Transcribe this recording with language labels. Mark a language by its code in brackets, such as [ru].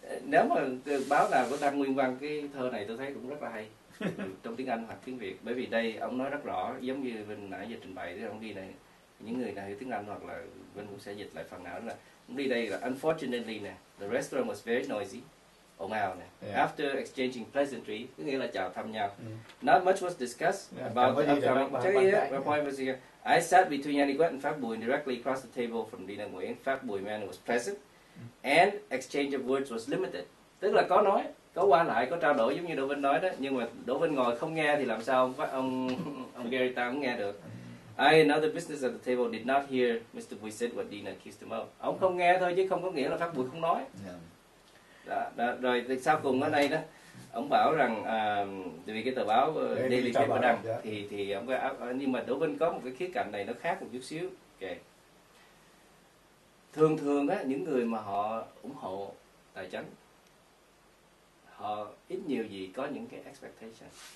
[vi] Nếu mà báo nào có đăng nguyên văn cái thơ này tôi thấy cũng rất là hay trong tiếng Anh hoặc tiếng Việt, bởi vì đây ông nói rất rõ, giống như mình nãy giờ trình bày với ông đi này, những người nào hiểu tiếng Anh hoặc là mình cũng sẽ dịch lại phần nào, là ông đi đây là unfortunately nè, [en] the restaurant was very noisy, [vi] ồn ào nè, [en] after exchanging pleasantry, [vi] có nghĩa là chào thăm nhau, [en] not much was discussed about the upcoming. I sat between Andy Quách and Phát Bùi directly across the table from Dina Nguyễn. Phát Bùi man was present and exchange of words was limited. [vi] Tức là có nói, có qua lại, có trao đổi giống như Đỗ Vinh nói đó. Nhưng mà Đỗ Vinh ngồi không nghe thì làm sao ông Gary Tang cũng nghe được. [en] I and other business at the table did not hear Mr. Bùi said what Dina accused him of. [vi] Ông không nghe thôi chứ không có nghĩa là Phát Bùi không nói. Rồi thì sau cùng ở đây đó, ông bảo rằng vì cái tờ báo Daily Paper đăng thì ông có áp, nhưng mà Đỗ Vinh có một cái khía cạnh này nó khác một chút xíu. Thường thường á, những người mà họ ủng hộ tài chính họ ít nhiều gì có những cái expectation.